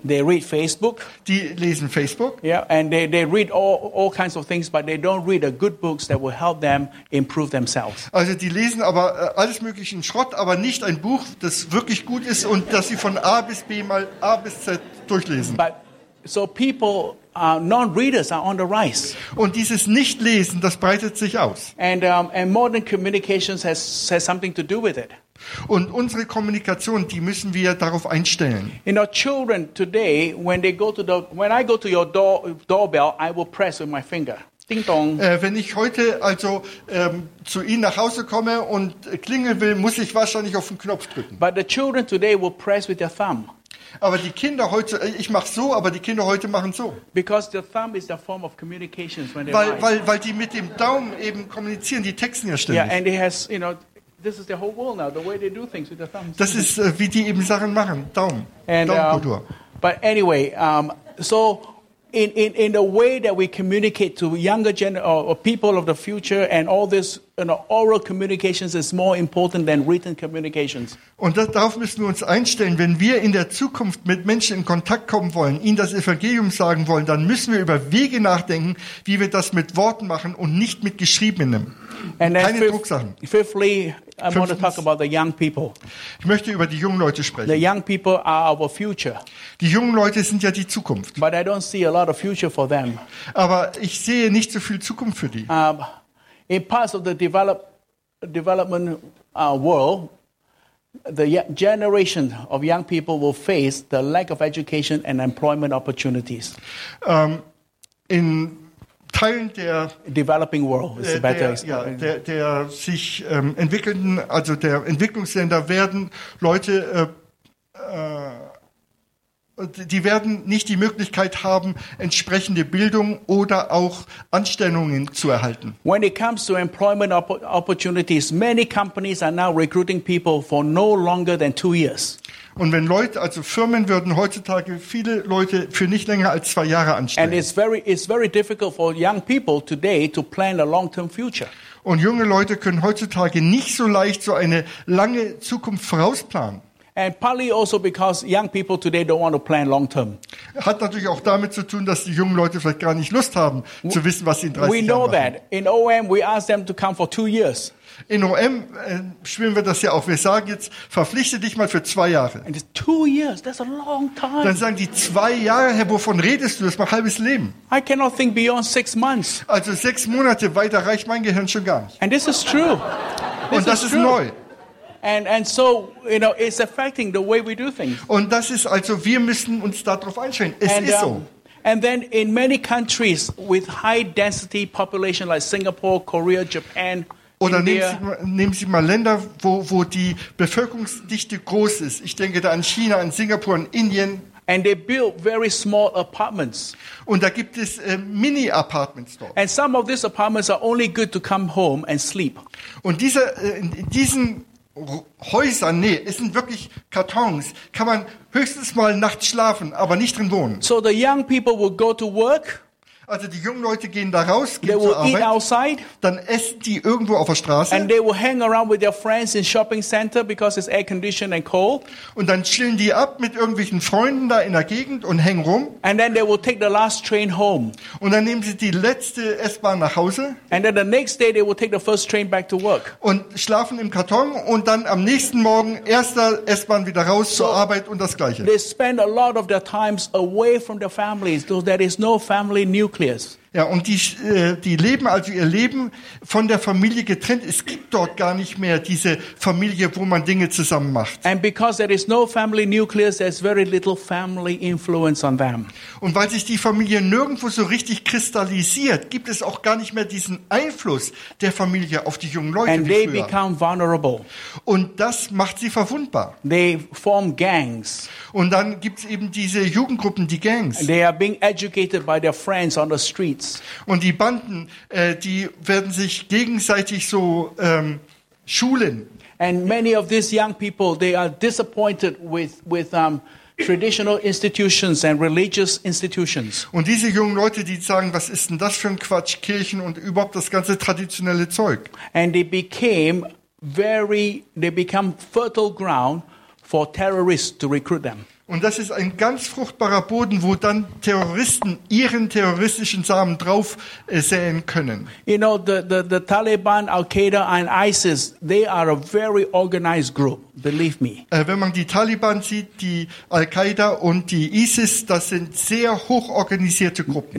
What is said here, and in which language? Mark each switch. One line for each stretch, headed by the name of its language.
English: They read Facebook.
German: Die lesen Facebook.
English: Yeah, and they read all kinds of things, but they don't read a good books that will help them improve themselves.
German: Also die lesen aber alles mögliche in Schrott, aber nicht ein Buch, das wirklich gut ist und das sie von A bis B mal A bis Z durchlesen.
English: But so people. Non-readers are on the rise.
German: Und dieses Nichtlesen, das breitet sich aus.
English: And modern communications has something to do with it.
German: Und unsere Kommunikation, die müssen wir darauf einstellen.
English: You know, children today, when I go to your doorbell, I will press with my finger. Ding dong.
German: Wenn ich heute also zu Ihnen nach Hause komme und klingeln will, muss ich wahrscheinlich auf den Knopf drücken.
English: But the children today will press with their thumb.
German: Aber die Kinder heute, ich mache so, aber die Kinder heute machen so.
English: Because the thumb is the form of communication when they write.
German: Weil die mit dem Daumen eben kommunizieren, die texten ja ständig.
English: Yeah, and it has, you know, this is the whole world now, the way they do things with the thumbs.
German: Das ist, wie die eben Sachen machen, Daumen, Daumenkultur.
English: But anyway, so in the way that we communicate to younger or people of the future and all this, you know, oral communications is more important than written communications.
German: Und darauf müssen wir uns einstellen, wenn wir in der Zukunft mit Menschen in Kontakt kommen wollen, ihnen das Evangelium sagen wollen, dann müssen wir über Wege nachdenken, wie wir das mit Worten machen und nicht mit geschriebenem.
English: And then
German: keine Drucksachen.
English: Fifthly, I want to talk about the young people.
German: Ich möchte über die jungen Leute sprechen.
English: The young people are our future.
German: Die jungen Leute sind ja die Zukunft.
English: But I don't see a lot of future for them.
German: Aber ich sehe nicht so viel Zukunft für die.
English: In parts of the development world, the generation of young people will face the lack of education and employment opportunities.
German: In Teilen der
English: developing world is better.
German: Ja, der sich entwickelnden, also der Entwicklungsländer werden Leute, die werden nicht die Möglichkeit haben, entsprechende Bildung oder auch Anstellungen zu erhalten.
English: When it comes to employment opportunities, many companies are now recruiting people for no longer than 2 years.
German: Und wenn Leute, also Firmen würden heutzutage viele Leute für nicht länger als 2 Jahre anstellen.
English: And it's very difficult for young people today to plan a long-term future.
German: Und junge Leute können heutzutage nicht so leicht so eine lange Zukunft vorausplanen.
English: And partly also because young people today don't want to plan long term.
German: Hat natürlich auch damit zu tun, dass die jungen Leute vielleicht gar nicht Lust haben zu wissen, was sie in 30 Jahren machen.
English: We know that. In OM we ask them to come for 2 years.
German: In OM spüren wir das ja auch. Wir sagen jetzt, verpflichte dich mal für 2 Jahre.
English: And 2 years, that's a long time.
German: Dann sagen die 2 Jahre, Herr, wovon redest du? Das ist mein halbes Leben.
English: I cannot think beyond 6 months.
German: Also 6 Monate weiter reicht mein Gehirn schon gar nicht.
English: And this is true.
German: Und das ist neu.
English: And so, you know, it's affecting the way we do things.
German: Und das ist also, wir müssen uns darauf einstellen. Es ist so.
English: And then in many countries with high density population like Singapore, Korea, Japan,
German: oder nehmen Sie mal Länder, wo die Bevölkerungsdichte groß ist. Ich denke da an China, an Singapur, an Indien.
English: And they build very small apartments.
German: Und da gibt es Mini-Apartments dort.
English: And some of these apartments are only good to come home and sleep.
German: Und in diesen Häusern, nee, es sind wirklich Kartons, kann man höchstens mal nachts schlafen, aber nicht drin wohnen.
English: So the young people will go to work.
German: Also die jungen Leute gehen da raus, gehen zur Arbeit,
English: outside,
German: dann essen die irgendwo auf der Straße.
English: And they will hang around with their friends in shopping center because it's air conditioned and cold.
German: Und dann chillen die ab mit irgendwelchen Freunden da in der Gegend und hängen rum.
English: And then they will take the last train home.
German: Und dann nehmen sie die letzte S-Bahn nach Hause.
English: And then the next day they will take the first train back to work.
German: Und schlafen im Karton und dann am nächsten Morgen erster S-Bahn wieder raus zur Arbeit und das Gleiche.
English: They spend a lot of their times away from their families, so there is no family nucleus.
German: Ja, und die leben also ihr Leben von der Familie getrennt. Es gibt dort gar nicht mehr diese Familie, wo man Dinge zusammen macht.
English: And because there is no family nucleus, there's very little family influence on them.
German: Und weil sich die Familie nirgendwo so richtig kristallisiert, gibt es auch gar nicht mehr diesen Einfluss der Familie auf die jungen Leute.
English: And they become vulnerable.
German: Und das macht sie verwundbar.
English: They form gangs.
German: Und dann gibt's eben diese Jugendgruppen, die Gangs.
English: They are being educated by their friends on the street.
German: Und die Banden, die werden sich gegenseitig so schulen.
English: And many of these young people, they are disappointed with traditional institutions and religious institutions.
German: Und diese jungen Leute, die sagen, was ist denn das für ein Quatsch, Kirchen und überhaupt das ganze traditionelle Zeug.
English: And they become fertile ground for terrorists to recruit them.
German: Und das ist ein ganz fruchtbarer Boden, wo dann Terroristen ihren terroristischen Samen drauf säen können.
English: You know, the Taliban, Al-Qaeda and ISIS, they are a very organized group, believe me.
German: Wenn man die Taliban sieht, die Al-Qaeda und die ISIS, das sind sehr hochorganisierte Gruppen.